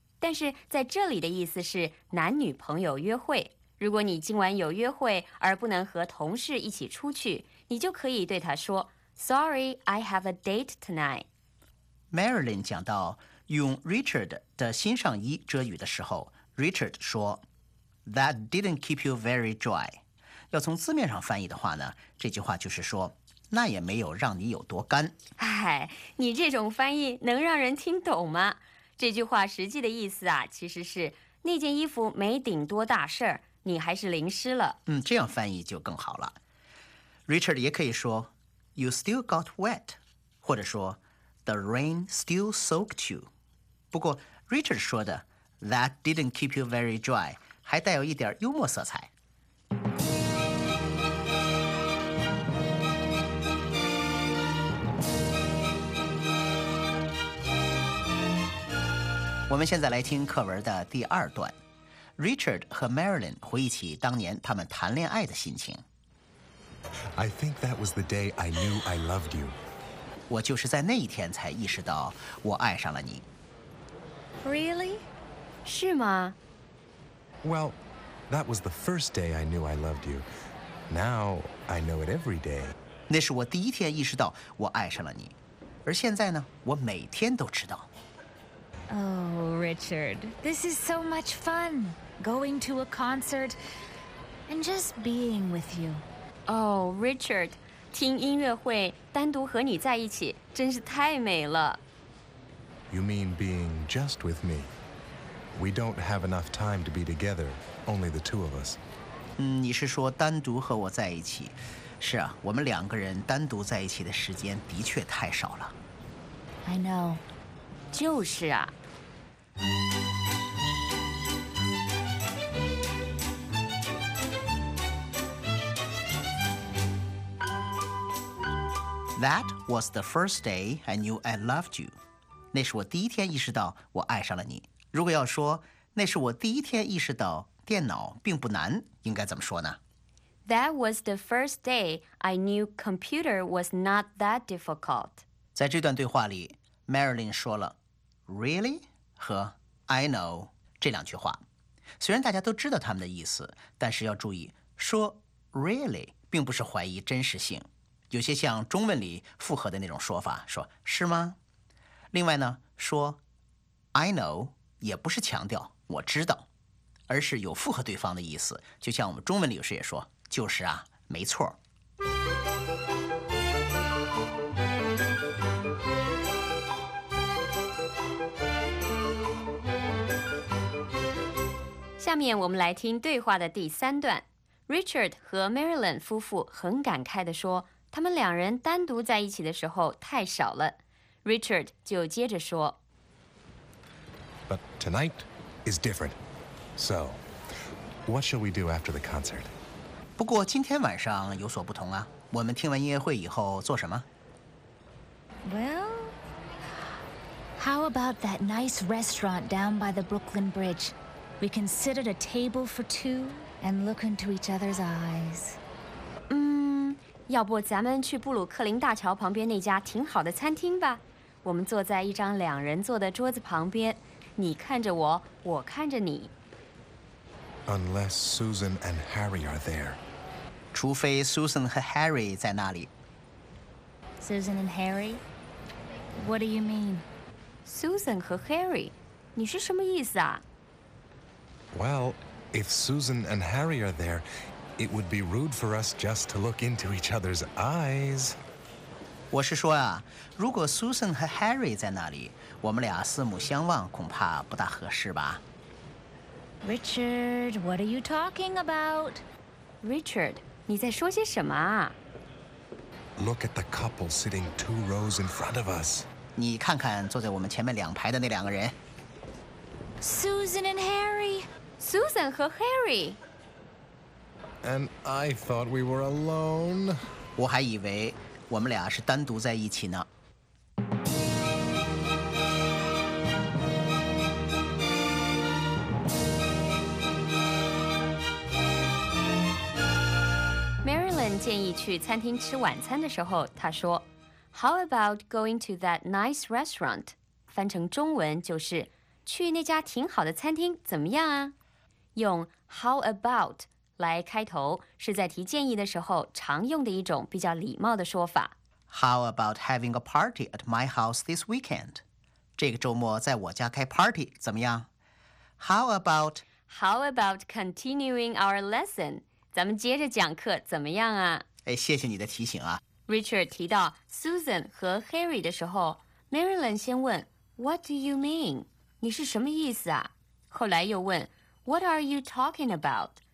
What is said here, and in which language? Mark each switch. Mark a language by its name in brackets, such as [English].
[Chinese] 但是在这里的意思是男女朋友约会。如果你今晚有约会而不能和同事一起出去，你就可以对他说 [English] Sorry, I have a date tonight. [Chinese] Marilyn 讲到用 Richard 的新上衣遮雨的时候， Richard 说 [English] That didn't keep you very dry. [Chinese] 要从字面上翻译的话呢，这句话就是说那也没有让你有多干。哎，你这种翻译能让人听懂吗？这句话实际的意思啊，其实是那件衣服没顶多大事儿，你还是淋湿了。这样翻译就更好了。 [English] Richard [Chinese] 也可以说 [English] ，You still got wet， [Chinese] 或者说 [English] ，The rain still soaked you。 [Chinese] 不过 Richard 说的 ， [English] That didn't keep you very dry， [Chinese] 还带有一点幽默色彩。我们现在来听课文的第二段。Richard 和 Marilyn 回忆起当年他们谈恋爱的心情。 [English] I think that was the day I knew I loved you. [Chinese] 我就是在那一天才意识到我爱上了你。 [English] Really? [Chinese] 是吗？ [English] Well, that was the first day I knew I loved you. Now, I know it every day. [Chinese] 那是我第一天意识到我爱上了你。而现在呢，我每天都知道。 [English] Oh, Richard, this is so much fun, going to a concert and just being with you. [Chinese] Oh, Richard, 听音乐会单独和你在一起真是太美了。 [English] You mean being just with me? We don't have enough time to be together, only the two of us. [Chinese] 你是说单独和我在一起。是啊，我们两个人单独在一起的时间的确太少了。 [English] I know. [Chinese] 就是啊。 [English] That was the first day I knew I loved you. [Chinese] 那是我第一天意识到我爱上了你。如果要说那是我第一天意识到电脑并不难，应该怎么说呢？ [English] That was the first day I knew computer was not that difficult. [Chinese] 在这段对话里 ，Marilyn 说了。 [English] Really? [Chinese] 和 [English] I know [Chinese] 这两句话，虽然大家都知道他们的意思，但是要注意说 really 并不是怀疑真实性，有些像中文里附和的那种说法，说是吗？另外呢，说 [English] I know [Chinese] 也不是强调我知道，而是有附和对方的意思，就像我们中文里有时也说，就是啊，没错。下面我们来听对话的第三段。Richard 和 Marilyn 夫妇很感慨地说，他们两人单独在一起的时候太少了。 Richard 就接着说， [English] But tonight is different. So, what shall we do after the concert? [Chinese] 不过今天晚上有所不同啊，我们听完音乐会以后做什么？ [English] Well, how about that nice restaurant down by the Brooklyn Bridge? We can sit at a table for two and look into each other's eyes. [Chinese] 要不咱们去布鲁克林大桥旁边那家挺好的餐厅吧？我们坐在一张两人坐的桌子旁边，你看着我，我看着你。 [English] Unless Susan and Harry are there. [Chinese] 除非 Susan 和 Harry 在那里。 [English] Susan and Harry? What do you mean? [Chinese] Susan 和 Harry? 你是什么意思啊？ [English] Well, if Susan and Harry are there, it would be rude for us just to look into each other's eyes. [Chinese] 我是说啊，如果 Susan 和 Harry 在那里，我们俩四目相望恐怕不大合适吧。 [English] Richard, what are you talking about? [Chinese] Richard, 你在说些什么啊？ [English] Look at the couple sitting two rows in front of us. [Chinese] 你看看坐在我们前面两排的那两个人。 [English] Susan and Harry. [Chinese] Susan 和 Harry. [English] And I thought we were alone. [Chinese] 我还以为我们俩是单独在一起呢。 Marilyn 建议去餐厅吃晚餐的时候，她说 [English] How about going to that nice restaurant? [Chinese] 翻成中文就是去那家挺好的餐厅怎么样啊？用 how about 来开头，是在提建议的时候常用的一种比较礼貌的说法。 [English] How about having a party at my house this weekend? [Chinese] 这个周末在我家开 party 怎么样？ [English] How about continuing our lesson? [Chinese] 咱们接着讲课怎么样啊？哎，谢谢你的提醒啊。 Richard 提到 Susan 和 Harry 的时候， Marilyn 先问 [English] What do you mean? [Chinese] 你是什么意思啊？后来又问 [English] What are you talking about?